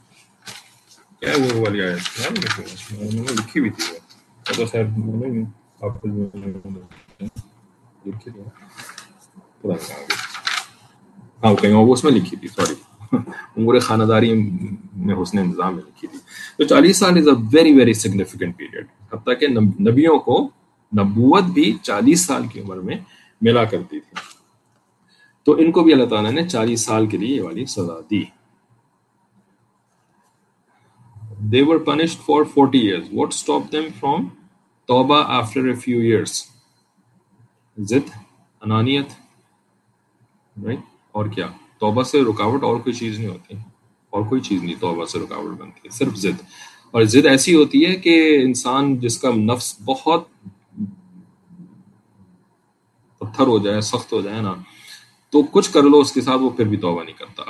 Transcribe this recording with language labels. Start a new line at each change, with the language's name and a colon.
Urdu: کیا وہ والی آیت میں نے لکھی بھی تھی, تو خیر میں نے آپ کو لکھی تھی, ہاں کہیں وہ اس میں لکھی تھی, سوری عمر خانداری میں حسن انتظام میں لکھی تھی. تو 40 سال
English: is a very very significant period,
Urdu: حتیٰ کہ نبیوں کو نبوت بھی 40 سال کی عمر میں ملا کرتی تھی, تو ان کو بھی اللہ تعالیٰ نے 40 سال کے لیے یہ والی سزا دی.
English: They were punished for 40 years. What stopped them from توبہ after a few years?
Urdu: ضد انانیت, right? اور کیا, توبہ سے رکاوٹ اور کوئی چیز نہیں ہوتی, اور کوئی چیز نہیں توبہ سے رکاوٹ بنتی ہے, صرف ضد. اور ضد ایسی ہوتی ہے کہ انسان جس کا نفس بہت پتھر ہو جائے, سخت ہو جائے نا, تو کچھ کر لو اس کے ساتھ وہ پھر بھی توبہ نہیں کرتا.